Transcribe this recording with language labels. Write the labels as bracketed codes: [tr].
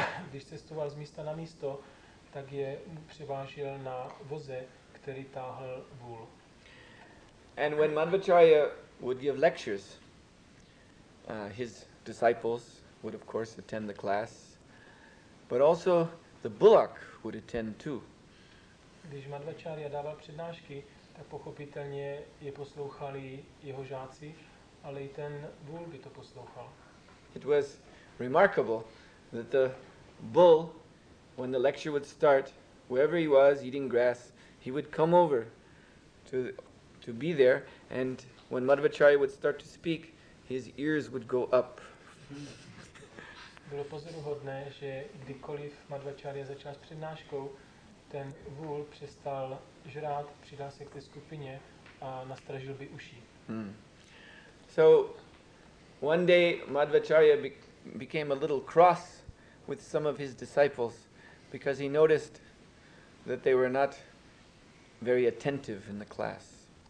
[cs] Když cestoval z místa na místo, tak je převážil na voze, který táhl vůl. [en] And when Madhvacharya would give lectures, his disciples would of course attend the class, but also the bullock would attend too. [cs] Když Madhvacharya dával přednášky, tak pochopitelně je poslouchali jeho žáci, ale i ten vůl by to poslouchal. [en] It was remarkable that the bull, when the lecture would start, wherever he was eating grass, he would come over to be there, and when Madhvacharya would start to speak, his ears would go up. [cs] Bylo pozoruhodné, že kdykoliv Madhvacharya začal s přednáškou, ten vůl přestal žrát, přidal se k té skupině a nastražil by uši. [en] So one day Madhvacharya became a little cross with some of his disciples because he noticed that they were not very attentive in the class.